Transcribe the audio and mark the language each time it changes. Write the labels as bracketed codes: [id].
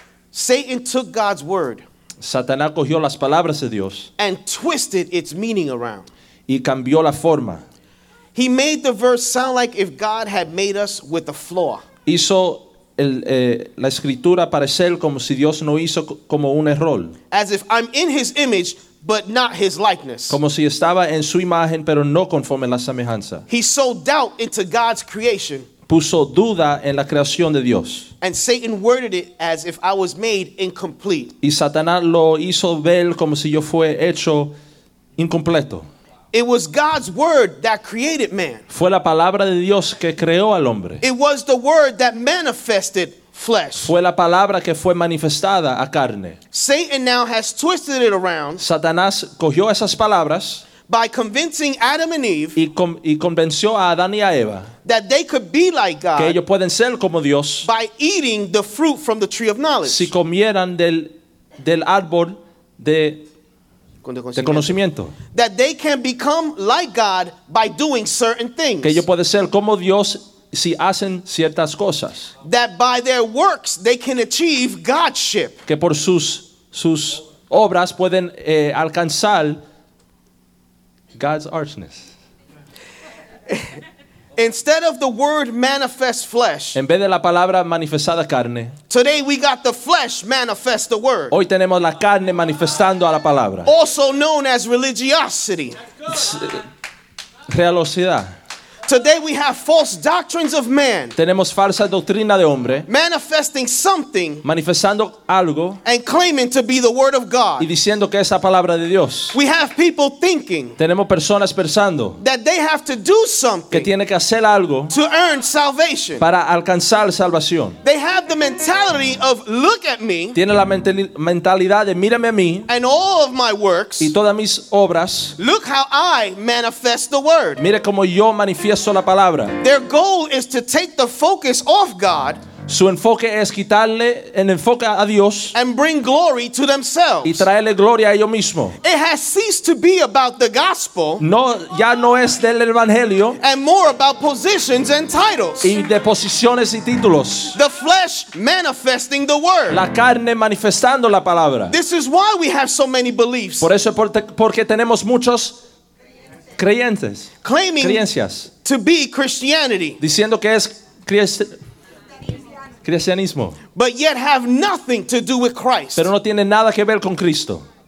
[en] Satan took God's word. [es] Satanás cogió las palabras de Dios. [en] And twisted its meaning around. [es] Y cambió la forma. [en] He made the verse sound like if God had made us with a flaw. [es] Hizo la escritura parecer como si Dios no hizo como un error. [en] As if I'm in his image, but not his likeness. [es] Como si estaba en su imagen, pero no conforme la semejanza. [en] He sowed doubt into God's creation. [es] Puso duda en la creación de Dios. [en] And Satan worded it as if I was made incomplete. [es] Y Satanás lo hizo ver como si yo fue hecho incompleto. [en] It was God's word that created man. [es] Fue la palabra de Dios que creó al hombre. [en] It was the word that manifested flesh. [es] Fue la palabra que fue manifestada a carne. [en] Satan now has twisted it around. [es] Satanás cogió esas palabras. [en] By convincing Adam and Eve. [es] Y convenció a Adán y a Eva. [en] That they could be like God. [es] Que ellos pueden ser como Dios. [en] By eating the fruit from the tree of knowledge. [es] Si comieran del árbol de conocimiento. [en] That they can become like God by doing certain things. [es] Que ellos pueden ser como Dios si hacen ciertas cosas. [en] That by their works they can achieve Godship. [es] Que por sus obras pueden alcanzar God's archness. [en] Instead of the word manifest flesh. [es] En vez de la palabra manifestada carne. [en] Today we got the flesh manifest the word. [es] Hoy tenemos la carne manifestando a la palabra. [en] Also known as religiosity. [es] Realosidad. [en] Today we have false doctrines of man. [es] Tenemos falsa doctrina de hombre. [en] Manifesting something. [es] Manifestando algo. [en] And claiming to be the word of God. [es] Y diciendo que es la palabra de Dios. [en] We have people thinking. [es] Tenemos personas pensando. [en] That they have to do something. [es] Que tiene que hacer algo. [en] To earn salvation. [es] Para alcanzar salvación. [en] They have the mentality of look at me. [es] Tiene la mentalidad de mírame a mí. [en] And all of my works. [es] Y todas mis obras. [en] Look how I manifest the word. [es] Mire como yo manifiesto. [en] Their goal is to take the focus off God. [es] Su enfoque es quitarle el enfoque a Dios. [en] And bring glory to themselves. [es] Y traerle gloria a ellos mismos. [en] It has ceased to be about the gospel. [es] No, ya no es del evangelio. [en] And more about positions and titles. [es] Y de posiciones y títulos. [en] The flesh manifesting the word. [es] La carne manifestando la palabra. [en] This is why we have so many beliefs. [es] Por eso porque tenemos muchos. Creyentes. [en] Claiming [es] creencias. [en] To be Christianity. [es] Diciendo que es cristianismo. [en] But yet have nothing to do with Christ. [es] Pero no tiene nada que ver con Cristo.